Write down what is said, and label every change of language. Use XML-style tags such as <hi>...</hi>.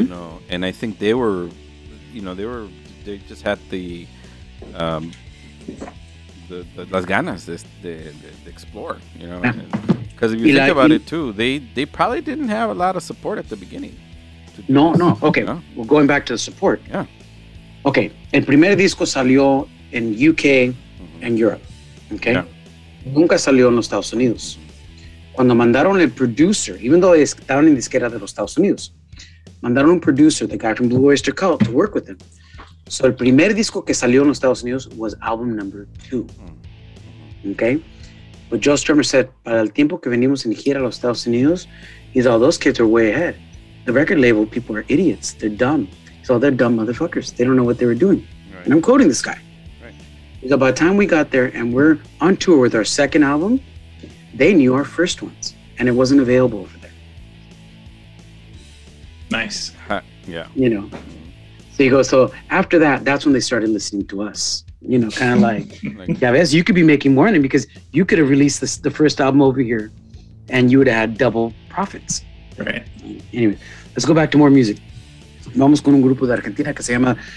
<en>You know, and I think they were, you know, they just had the</en> <es>las ganas de</es> <en>explore, you know. Because if you think about it too, they probably didn't have a lot of support at the beginning. Okay. No? Well, going back to the support. Yeah. Okay.</en> <es>El primer disco salió en UK mm-hmm.</es> <en>and Europe. Okay. Yeah.</en> <es>Nunca salió en los Estados Unidos. Cuando mandaron el producer,</es> <en>even though</en> <es>estaban en disquera de los Estados Unidos, mandaron un producer,</es> <en>the guy from Blue Oyster Cult, to work with him. So</en> <es>el primer disco que salió en los Estados Unidos</es> <en>was album number 2. Mm-hmm. Okay. But Joe Strummer said,</en> <es>para el tiempo que venimos en gira a los Estados Unidos,</es> <en>he said, those kids are way ahead. The record label people are idiots. They're dumb. So they're dumb motherfuckers. They don't know what they were doing. Right. And I'm quoting this guy. Right. So by the time we got there and we're on tour with our second album, they knew our first ones and it wasn't available over there. Nice. Yeah. You know, so you go, so after that, that's when they started listening to us, you know, kind of like, yeah, Chavez, you could be making more money because you could have released the first album over here and you would add double profits. Right. Anyway, let's go back to more music.</en> <es>Vamos con un grupo de Argentina que se llama</es>